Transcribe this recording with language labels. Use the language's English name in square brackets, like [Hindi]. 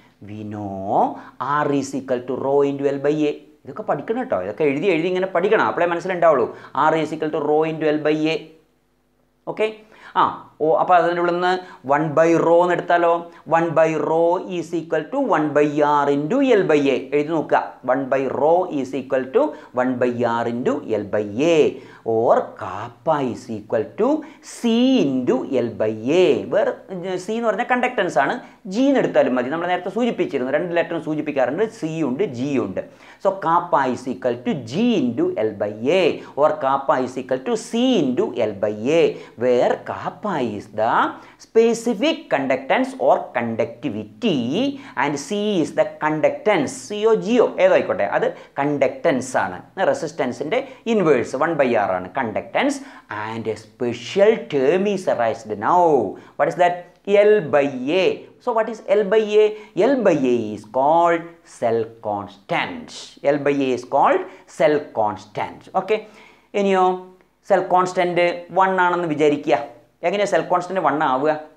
[English] We know R=ρ×L/A. [Malayalam] ഇതൊക്കെ പഠിക്കണം കേട്ടോ, ഇതൊക്കെ എഴുതി എഴുതി ഇങ്ങനെ പഠിക്കണം, അപ്പോഴേ മനസ്സിലുണ്ടാവുള്ളൂ. R=ρ×L/A. ഓക്കെ, ആ ഓ, അപ്പോൾ അതിൻ്റെ ഉള്ളിൽ നിന്ന് 1/ρ എന്ന് എടുത്താലോ, 1/ρ=1/R×L/A എഴുതി നോക്കുക. [English] 1/ρ=1/R×L/A or Kappa=C×L/A. [Malayalam] വേറെ സി എന്ന് പറഞ്ഞാൽ കണ്ടക്ടൻസ് ആണ്, ജി എന്ന് എടുത്താലും മതി. നമ്മൾ നേരത്തെ സൂചിപ്പിച്ചിരുന്നു, രണ്ട് ലെറ്ററും സൂചിപ്പിക്കാറുണ്ട്, സി ഉണ്ട് ജി ഉണ്ട്. [English] so Kappa=G×L/A or Kappa=C×L/A where Kappa is the specific conductance or conductivity and C is the conductance, C or G or [Malayalam] ഏതോ ആയിക്കോട്ടെ, അത് കണ്ടക്ടൻസ് ആണ്, റെസിസ്റ്റൻസിൻ്റെ ഇൻവേഴ്സ് 1/R ആണ് conductance. [English] And A special term is അറൈസ്ഡ് now, what is that? L/A. So what is L/A? L/A is called cell constant. L/A is called cell constant. [Malayalam] Okay, ഇനിയോ cell constant 1 ആണെന്ന് വിചാരിക്കുക. എങ്ങനെയാണ് cell constant 1 ആവുക?